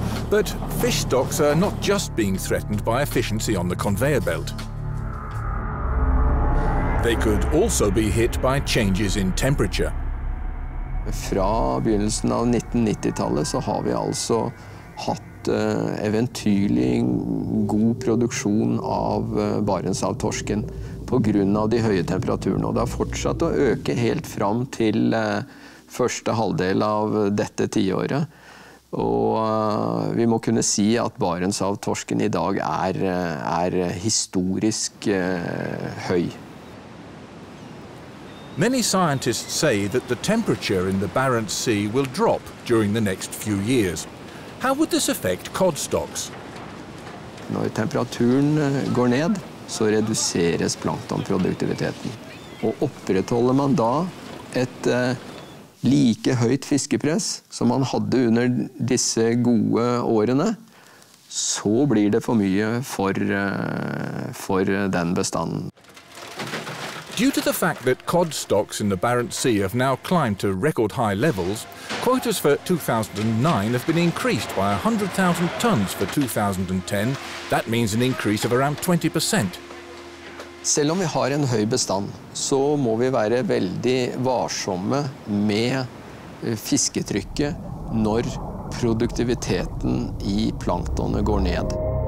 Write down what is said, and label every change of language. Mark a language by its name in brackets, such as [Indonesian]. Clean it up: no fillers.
[English] But fish stocks are not just being threatened by efficiency on the conveyor belt. They could also be hit by changes in temperature. [Norwegian] Fra begynnelsen av 1990-tallet så har vi altså hatt eventyrlig god produksjon av Barentshavtorsken på grunn av de høye temperaturene, og det har fortsatt å øke helt fram til første halvdel av dette tiåret. Og vi må kunne si at Barentshavtorsken i dag historisk høy. [English] Many scientists say that the temperature in the Barents Sea will drop during the next few years. How would this affect cod stocks? [Norwegian] Når temperaturen går ned, så reduseres planktonproduktiviteten. Og opprettholder man da et like høyt fiskepress som man hadde under disse gode årene, så blir det for mye for den bestanden. [English] Due to the fact that cod stocks in the Barents Sea have now climbed to record high levels, quotas for 2009 have been increased by 100,000 tons for 2010. That means an increase of around 20%. [Norwegian] Selv om vi har en høy bestand, så må vi være veldig varsomme med fisketrykket når produktiviteten i planktonet går ned.